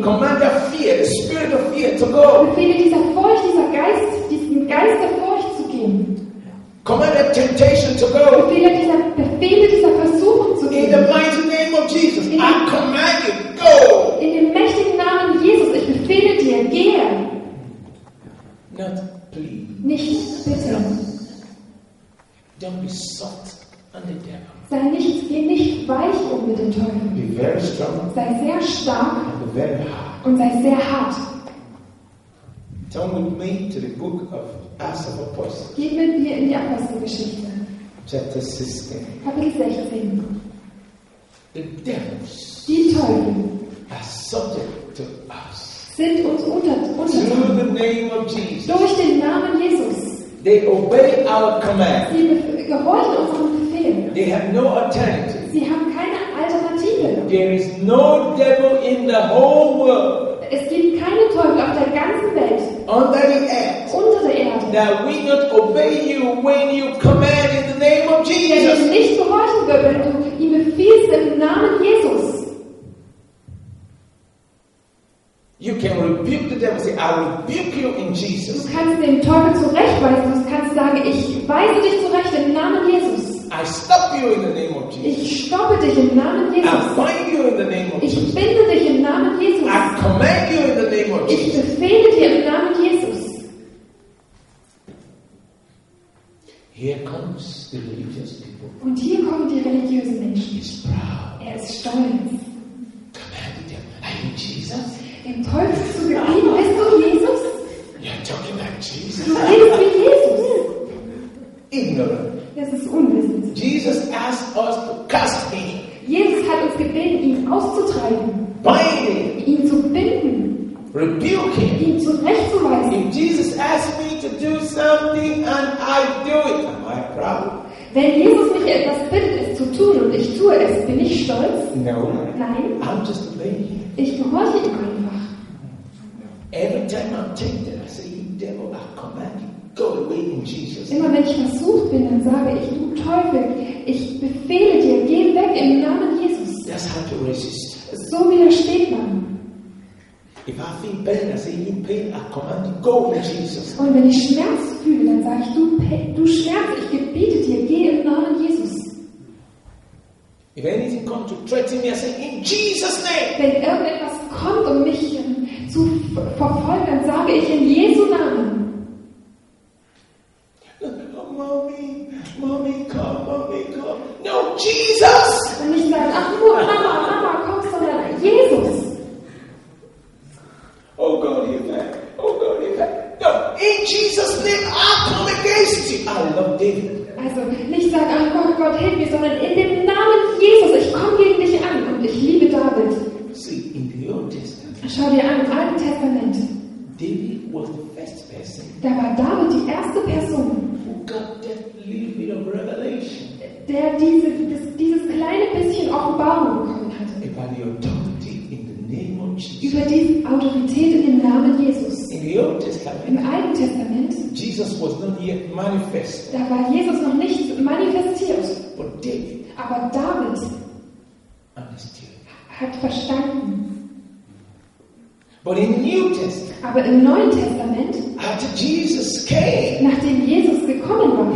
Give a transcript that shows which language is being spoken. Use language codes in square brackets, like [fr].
[en] Command that fear, the spirit of fear, to go. [de] Befehle dieser Furcht, dieser Geist, diesen Geist der Furcht zu gehen. [en] Command that temptation to go. [de] Befehle dieser Versuchung zu gehen. [en] In the mighty name of Jesus, I command you, go. [de] In dem mächtigen Namen Jesus, ich befehle dir, gehe. [en] Not please. [de] Nicht bitte. [en] Don't be soft on the devil. [de] Sei nicht, geh nicht weich um mit dem Teufel. [en] Be very strong. [de] Sei sehr stark. [en] And be very hard. [de] Und sei sehr hart. [en] Turn with me to the book of Acts of Apostles. [de] Geh mit mir in die Apostelgeschichte. [en] Chapter 16. [de] Kapitel 16. [en] The devils. [de] Die Teufel. [en] Are subject to us. [de] Sind uns untertan. [en] Through the name of Jesus. [de] Durch den Namen Jesus. [en] They obey our command. [de] Sie gehorchen unserem Befehl. [en] They have no alternative. [de] Sie haben keine Alternative. [en] There is no devil in the whole world. [de] Es gibt keine Teufel auf der ganzen Welt. [en] Under the earth. [de] Unter der Erde. [en] That we not obey you when you command in the name of Jesus. [de] Wenn du nicht gehorchen wirst, wenn du ihm befiehlst im Namen Jesus. [en] You can rebuke the devil. Say, I rebuke you in Jesus. [de] Du kannst den Teufel zurechtweisen. Du kannst sagen, ich weise dich zurecht im Namen Jesus. [en] I stop you in the name of Jesus. [de] Ich stoppe dich im Namen Jesus. [en] I bind you in the name of Jesus. [de] Ich binde dich im Namen Jesus. [en] I command you in the name of Jesus. [de] Ich befehle dir im Namen Jesus. [en] Here comes the religious people. [de] Und hier kommen die religiösen Menschen. [en] He's proud. [de] Er ist stolz. [en] Command the devil. Are you Jesus? [de] Dem Teufel zu gehen, bist du Jesus? [en] You're talking about Jesus. [de] Du redest wie Jesus. [en] Ignorant. [de] Das ist unwissend. [en] Jesus asked us to cast him. [de] Jesus hat uns gebeten, ihn auszutreiben. [en] Binding. [de] Ihn zu binden. [en] Rebuking. [de] Ihn zurechtzuweisen. [en] If Jesus asked me to do something and I do it, am I proud? [de] Wenn Jesus mich etwas bittet, es zu tun und ich tue es, bin ich stolz? [en] No. [de] Nein. [en] I'm just obeying. [de] Ich gehorche ihm einfach. [en] Every time I'm tempted, I say, you devil, I command you, go away in Jesus. [de] Immer wenn ich versucht bin, dann sage ich, du Teufel, ich befehle dir, geh weg im Namen Jesus. [en] That's how to resist. [de] So widersteht man. [en] If I feel pain, I say, you pain, I command you, go in Jesus. [de] Und wenn ich Schmerz fühle, dann sage ich, du Schmerz, ich gebiete dir, geh im Namen Jesus. [en] If anything comes to threaten me, I say, in Jesus' name. [de] Wenn irgendetwas kommt, um mich zu verfolgen, dann sage ich, in Jesu Namen. [en] Oh, Mommy, Mommy, come, Mommy, come. No, Jesus! [de] Wenn ich sage, ach, nur Mama, Mama, komm, sondern Jesus. [en] Oh, God, you back. Oh, God, you back. No, in Jesus' name, I come against you. I love David. [de] Also nicht sagen, ach Gott, Gott, hilf mir, sondern in dem Namen Jesus, ich komme gegen dich an und ich liebe David. [en] See, in the Old Testament, [de] schau dir an, im Alten Testament, [en] David was the first person, [de] da war David die erste Person, [en] who got that little bit of revelation, [de] der dieses kleine bisschen Offenbarung bekommen hatte. [en] About the authority in the name of Jesus. [de] Über die Autorität in dem Namen Jesus. [en] In the Old Testament, [de] im Alten Testament, [en] Jesus was not yet manifest. [de] Da war Jesus noch nicht manifestiert. [en] But David, [de] aber David [en] understood. [de] Hat verstanden. [en] But in New Testament, [de] aber im Neuen Testament, [en] after Jesus came, [de] nachdem Jesus gekommen war,